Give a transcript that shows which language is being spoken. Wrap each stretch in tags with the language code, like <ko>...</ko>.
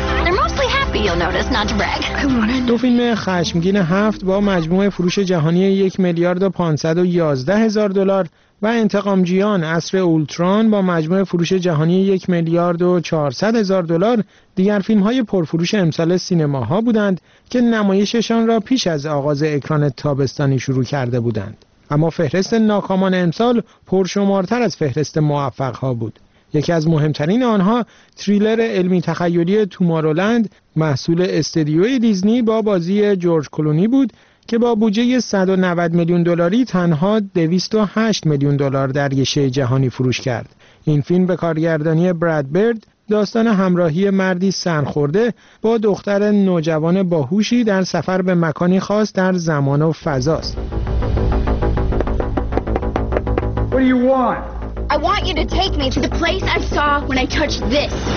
<en>They're mostly happy, you'll notice, not to brag.</en> <fa>دو فیلم خشمگین هفت با مجموع فروش جهانی 1,511,000 دلار و انتقامجویان عصر اولتران با مجموع فروش جهانی 1,400,000 دلار دیگر فیلم های پرفروش امسال سینما ها بودند که نمایششان را پیش از آغاز اکران تابستانی شروع کرده بودند. اما فهرست ناکامان امسال پرشمارتر از فهرست موفق ها بود. یکی از مهمترین آنها تریلر علمی تخیلی تومارولند محصول استدیوی دیزنی با بازی جورج کلونی بود که با بودجه 190 میلیون دلاری تنها 208 میلیون دلار در یه شی جهانی فروش کرد. این فیلم به کارگردانی براد برد داستان همراهی مردی سرخورده با دختر نوجوان باهوشی در سفر به مکانی خاص در زمان و فضاست.</fa> <en>What do you want? I want you to take me to the place I saw when I touched this.</en>